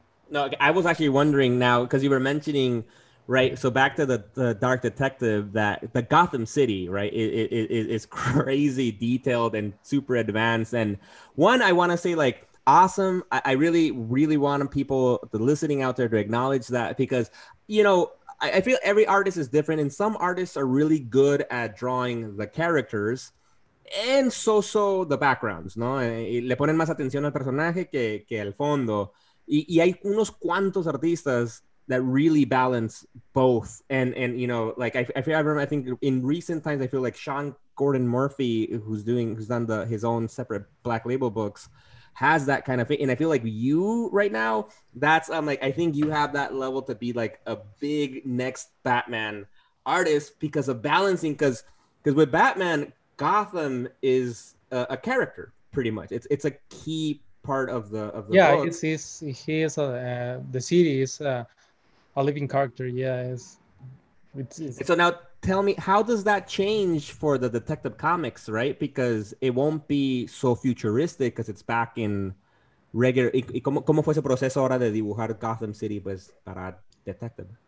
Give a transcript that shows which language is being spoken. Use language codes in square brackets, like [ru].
[en] No, I was actually wondering now, because you were mentioning, right, so back to the Dark Detective, that the Gotham City, right, is crazy detailed and super advanced. And one, I want to say, like, awesome. I really, really want people listening out there to acknowledge that, because, you know, I feel every artist is different, and some artists are really good at drawing the characters. And so the backgrounds, no? [es] Le ponen más atención al personaje que al fondo. Y hay unos cuantos artistas [en] that really balance both. And you know, like, I think in recent times, I feel like Sean Gordon Murphy, who's done his own separate Black Label books, has that kind of thing. And I feel like you right now, that's, I'm like, I think you have that level to be like a big next Batman artist because of balancing. Because with Batman, Gotham is a character, pretty much. It's a key part of the yeah, book. He is the city is a living character. Yeah, it's so now tell me, how does that change for the Detective Comics, right? Because it won't be so futuristic because it's back in regular. [es] ¿Cómo fue ese proceso ahora de dibujar Gotham City pues para Detective?